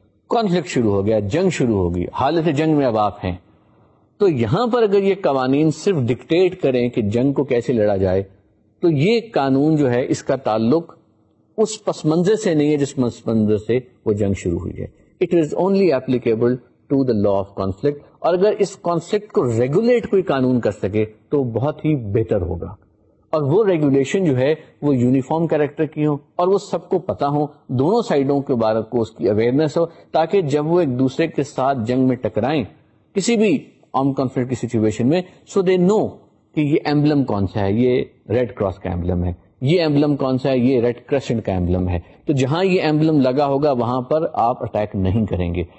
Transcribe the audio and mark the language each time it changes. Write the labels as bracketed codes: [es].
[ur] Conflict شروع ہو گیا, جنگ شروع ہوگی, حالت جنگ میں اب آپ ہیں, تو یہاں پر اگر یہ قوانین صرف ڈکٹیٹ کریں کہ جنگ کو کیسے لڑا جائے تو یہ قانون جو ہے اس کا تعلق اس پس منظر سے نہیں ہے جس پس منظر سے وہ جنگ شروع ہوئی ہے. [en] It is only applicable to the law of conflict. [ur] اور اگر اس کانفلکٹ کو ریگولیٹ کوئی قانون کر سکے تو بہت ہی بہتر ہوگا, اور وہ ریگولیشن جو ہے وہ یونیفارم کریکٹر کی ہو اور وہ سب کو پتا ہو, دونوں سائڈوں کے بارے کو اس کی اویئرنیس ہو, تاکہ جب وہ ایک دوسرے کے ساتھ جنگ میں ٹکرائیں کسی بھی آرم کانفلکٹ کی سچویشن میں, [en] so they know [ur] کہ یہ ایمبلم کون سا ہے, یہ ریڈ کراس کا ایمبلم ہے, یہ ایمبلم کون سا ہے, یہ ریڈ کرسنٹ کا ایمبلم ہے, تو جہاں یہ ایمبلم لگا ہوگا وہاں پر آپ اٹیک نہیں کریں گے.